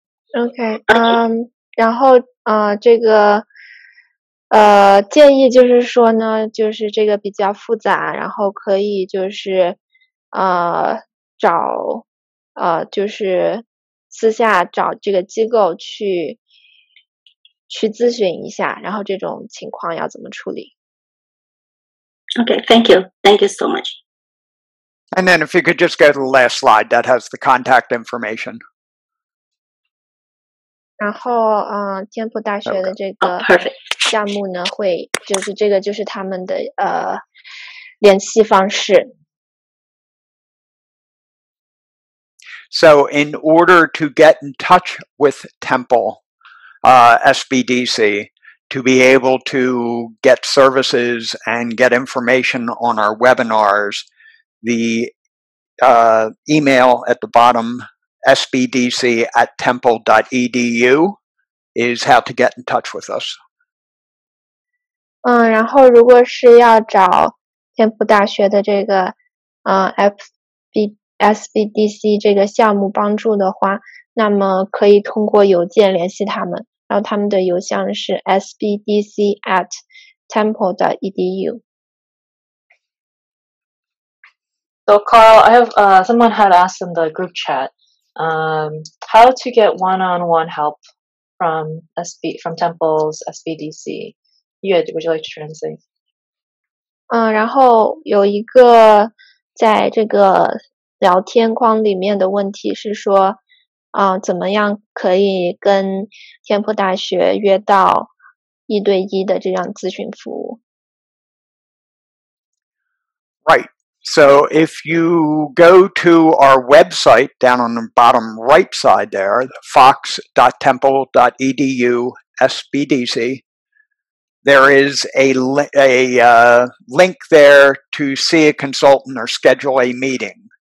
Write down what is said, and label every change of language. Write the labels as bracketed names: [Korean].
[Chinese] ？Okay, 然后这个建议就是说呢，就是这个比较复杂，然后可以就是找就是私下找这个机构去咨询一下，然后这种情况要怎么处理。 [English] Okay, thank you so much. And then if you could just go to the last slide that has the contact information. [Chinese] 然后天普大学的这个项目呢、 [English] okay. [Chinese] 会就是这个就是他们的联系方式。 [English] So in order to get in touch with Temple, SBDC, to be able to get services and get information on our webinars, the email at the bottom, sbdc@temple.edu, is how to get in touch with us. [Chinese] 然后如果是要找天普大学的这个SBDC 这个项目帮助的话，那么可以通过邮件联系他们，然后他们的邮箱是 sbdc@temple.edu. [English] So Carl, I have someone had asked in the group chat, how to get one-on-one help from Temple's SBDC. Yue, would you like to translate? [Chinese] 然后有一个在这个聊天框里面的问题是说，怎么样可以跟天普大学约到一对一的这样咨询服务。 [English] Right. So if you go to our website down on the bottom right side there, fox.temple.edu/sbdc, there is a link there to see a consultant or schedule a meeting.